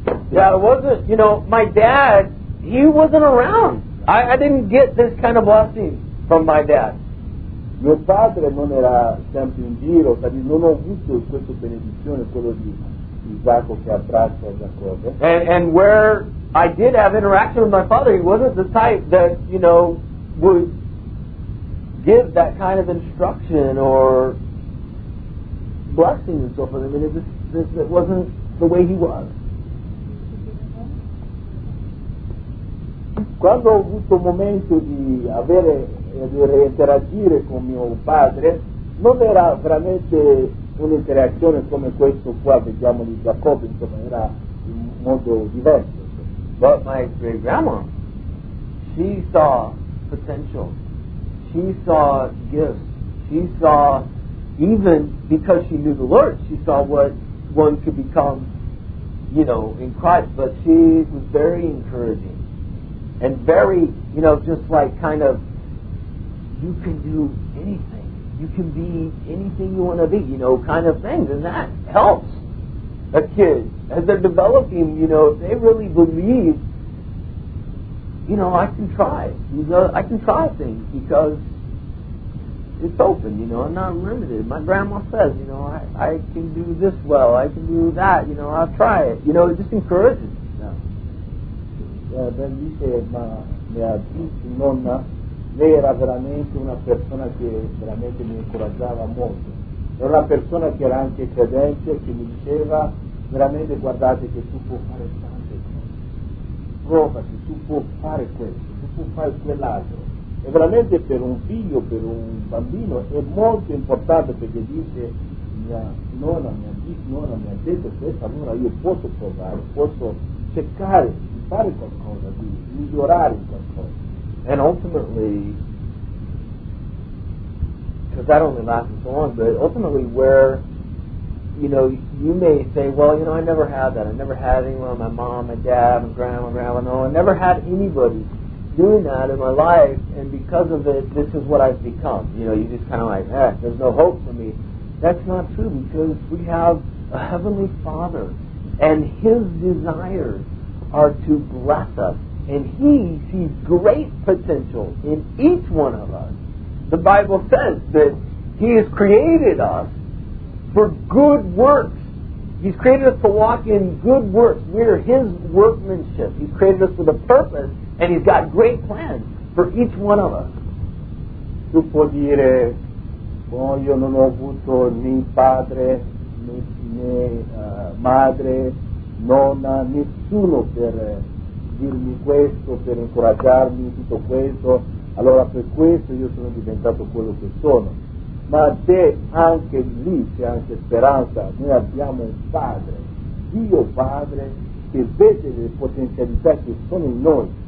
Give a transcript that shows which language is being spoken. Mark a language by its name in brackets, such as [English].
[English] Yeah, it wasn't, you know, my dad, he wasn't around. I didn't get this kind of blessing from my dad. [Italian] Mio padre non era sempre in giro, quindi non ho avuto questa benedizione, quello di Isacco che abbraccia Giacobbe. [English] And where I did have interaction with my father, he wasn't the type that, you know, would give that kind of instruction or blessing and so forth. I mean, it wasn't the way he was. [Italian] Quando ho avuto il momento di avere di interagire con mio padre, non era veramente un'interazione come questo qua, vediamo di Giacobbe, insomma, era in modo diverso. [English] But my great grandma, she saw potential, she saw gifts, she saw, even because she knew the Lord, she saw what one could become, you know, in Christ, but she was very encouraging. And very, you know, just like kind of, "You can do anything. You can be anything you want to be," you know, kind of things. And that helps a kid as they're developing, you know, if they really believe, you know, "I can try. You know, I can try things because it's open, you know, I'm not limited. My grandma says, you know, I can do this well. I can do that. You know, I'll try it." You know, it just encourages. [Italian] Ben dice, ma mia nonna, lei era veramente una persona che veramente mi incoraggiava molto, era una persona che era anche credente che mi diceva veramente guardate che tu puoi fare tante cose, provati, tu puoi fare questo, tu puoi fare quell'altro. E veramente per un figlio, per un bambino è molto importante perché dice mia nonna, mia bisnonna mi ha detto questo, allora io posso provare, posso cercare di fare qualcosa, di migliorare qualcosa. [English] And ultimately, because that only lasted so long, but ultimately where, you know, you may say, well, you know, I never had that. I never had anyone, my mom, my dad, my grandma, no, I never had anybody doing that in my life, and because of it, this is what I've become. You know, you just kind of like, eh, there's no hope for me. That's not true, because we have a Heavenly Father, and His desires are to bless us, and He sees great potential in each one of us. The Bible says that He has created us for good works. He's created us to walk in good works. We're His workmanship. He's created us with a purpose, and He's got great plans for each one of us. [Italian] Tu puoi dire, oh, io non ho avuto né padre, né madre, nonna, nessuno per dirmi questo, per incoraggiarmi, tutto questo. Allora per questo io sono diventato quello che sono. Ma te anche lì c'è anche speranza, noi abbiamo un Padre, Dio Padre, che vede le potenzialità che sono in noi.